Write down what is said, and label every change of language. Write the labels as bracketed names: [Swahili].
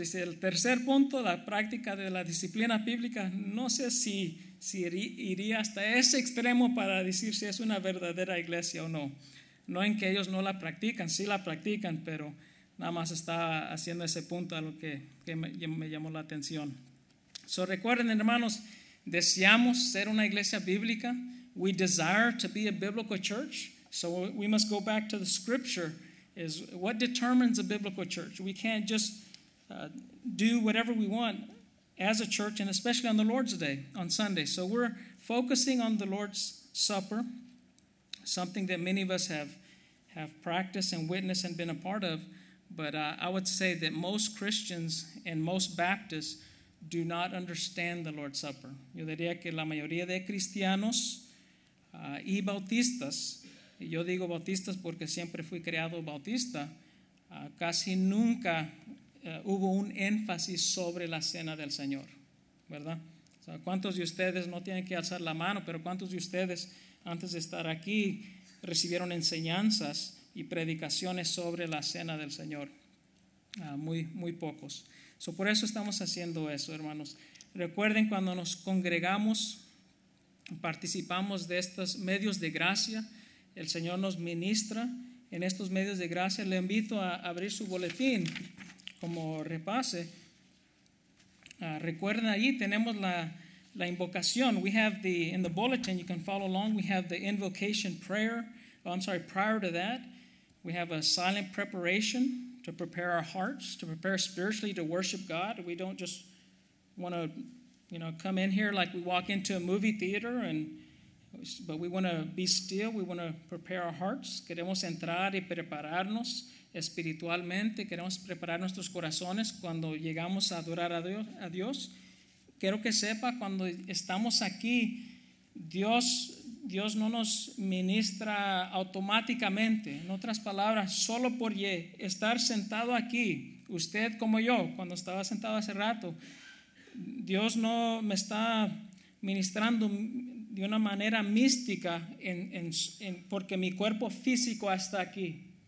[Spanish] Dice, el tercer punto, la práctica de la disciplina bíblica, no sé si iría hasta ese extremo para decir si es una verdadera iglesia o no. No en que ellos no la practican, sí la practican, pero nada más está haciendo ese punto a lo que me llamó la atención. So recuerden, hermanos, deseamos ser una iglesia bíblica. [English] We desire to be a biblical church. So we must go back to the scripture. Is what determines a biblical church. We can't just do whatever we want as a church, and especially on the Lord's Day, on Sunday. So we're focusing on the Lord's Supper, something that many of us have practiced and witnessed and been a part of. But I would say that most Christians and most Baptists do not understand the Lord's Supper. [Spanish] Yo diría que la mayoría de cristianos y bautistas, y yo digo bautistas porque siempre fui creado bautista, casi nunca hubo un énfasis sobre la cena del Señor, ¿verdad? So sea, ¿cuántos de ustedes, no tienen que alzar la mano, pero cuántos de ustedes antes de estar aquí recibieron enseñanzas y predicaciones sobre la cena del Señor? Muy pocos. So, por eso estamos haciendo eso, hermanos. Recuerden, cuando nos congregamos, participamos de estos medios de gracia, el Señor nos ministra en estos medios de gracia. Le invito a abrir su boletín como repase. Recuerden, ahí tenemos la invocación. [English] We have the, in the bulletin, you can follow along, we have the invocation prayer. Oh, I'm sorry, prior to that, we have a silent preparation to prepare our hearts, to prepare spiritually to worship God. We don't just want to, you know, come in here like we walk into a movie theater, but we want to be still. We want to prepare our hearts. [Spanish] Queremos entrar y prepararnos espiritualmente. Queremos preparar nuestros corazones cuando llegamos a adorar a Dios. Quiero que sepa, cuando estamos aquí, Dios no nos ministra automáticamente. En otras palabras, solo por estar sentado aquí, usted como yo, cuando estaba sentado hace rato, Dios no me está ministrando de una manera mística en porque mi cuerpo físico está aquí.